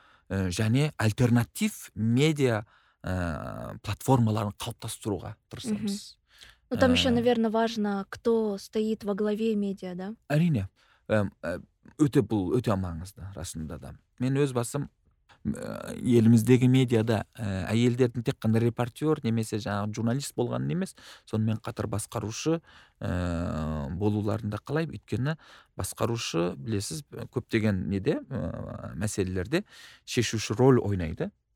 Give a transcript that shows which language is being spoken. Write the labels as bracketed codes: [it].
[kk] Және альтернатив медиа платформаларын қалыптастыруға тырысамыз. [ru] Ну там еще, наверное, важно, кто стоит во главе медиа, да? [kk] Әрине. Өте маңызды расында да. Мен өз басым еліміздегі медиада әйелдердің тек қана репортер немесе жаңағы журналист болғанын емес, сонымен қатар басқарушы болуларында қалай, өйткені басқарушы, білесіз, көптеген неде мәселелерде шешуші рөл ойнайды.